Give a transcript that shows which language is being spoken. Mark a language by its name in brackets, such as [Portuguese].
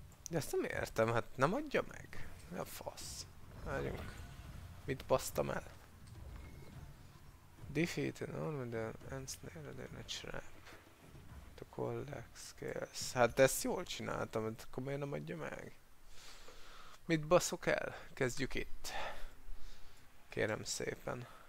[Hungarian] De ezt nem értem, hát nem adja meg. Mi a fasz? Várjunk. Mit basztam el? [English] Defeat an Armadillo and snare in a trap. To collect skills. [Hungarian] Hát ezt jól csináltam, hát akkor miért nem adja meg? Mit baszok el? Kezdjük itt. Kérem szépen.